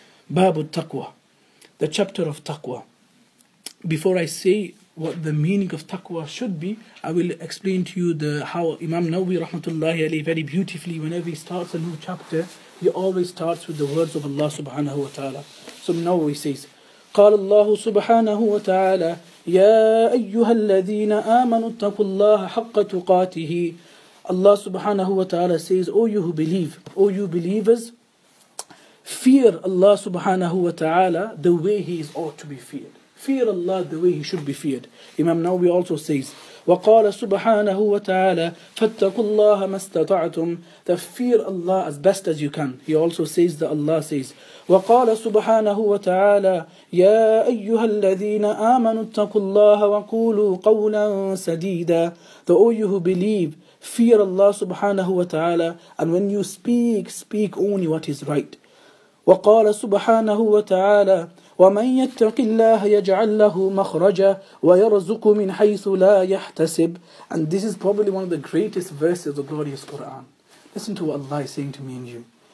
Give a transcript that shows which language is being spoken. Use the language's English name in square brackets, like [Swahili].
[English] Bab al-Taqwa, the chapter of Taqwa. Before I say what the meaning of Taqwa should be, I will explain to you how Imam Nawawi rahmatullahi alayhi very beautifully, whenever he starts a new chapter, he always starts with the words of Allah subhanahu wa ta'ala. So Nawawi says, [Arabic] قال الله سبحانه وتعالى يا أيها الذين آمنوا اتقوا الله حق تقاته. [English] Allah subhanahu wa ta'ala says, O you who believe, O you believers, fear Allah subhanahu wa ta'ala the way He is ought to be feared. Fear Allah the way He should be feared. Imam Nawawi also says, [Arabic] وقال سبحانه وتعالى فاتقوا الله ما استطعتم. [English] That fear Allah as best as you can. He also says that Allah says, [Arabic] وقال سبحانه وتعالى يا أيها الذين آمنوا اتقوا الله وقولوا قولا سديدا. [English] The all you who believe, fear Allah subhanahu wa ta'ala, and when you speak, speak only what is right. [Arabic] وقال سبحانه وتعالى وَمَنْ يَتَّقِ اللَّهَ يَجْعَلْ لَهُ مَخْرَجًا وَيَرْزُقُ مِنْ حَيْثُ لَا يَحْتَسِبُ. [English] And this is probably one of the greatest verses of the glorious Quran. Listen to what Allah is saying to me and you.